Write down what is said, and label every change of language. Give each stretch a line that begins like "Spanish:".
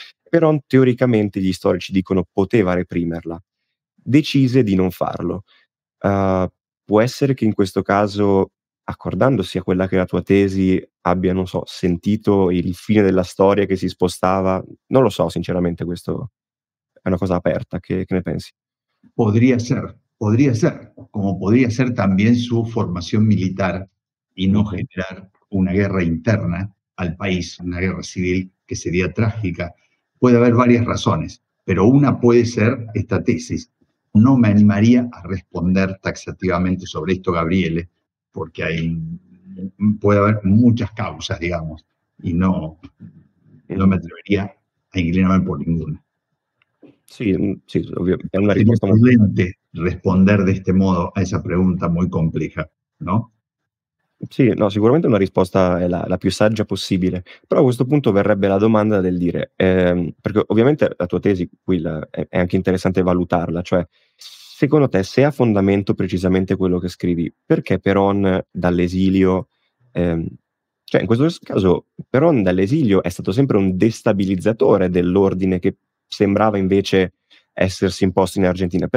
Italian: Perón, teoricamente, gli storici dicono poteva reprimerla, decise di non farlo. Può essere che in questo caso, accordandosi a quella che è la tua tesi, abbia, non so, sentito il fine della storia che si spostava? Non lo so, sinceramente, questo è una cosa aperta. Che ne pensi?
Spanish: Podría ser, como podría ser también su formación militar y no generar una guerra interna al país, una guerra civil que sería trágica. Puede haber varias razones, pero una puede ser esta tesis. No me animaría a responder taxativamente sobre esto, Gabriele, porque puede haber muchas causas, digamos, y no me atrevería a inclinarme por ninguna. Sí, obvio. Es una respuesta muy prudente responder de este modo a esa pregunta muy compleja, ¿no? Sí, no, seguramente una respuesta es
Italian: la più saggia possibile. Pero a questo punto verrebbe la domanda del dire, perché ovviamente la tua tesi qui è anche interessante valutarla, cioè secondo te se ha fondamento precisamente quello che scrivi, perché Perón dall'esilio, cioè in questo caso Perón dall'esilio è stato sempre un destabilizzatore dell'ordine che sembrava invece essersi imposto in Argentina.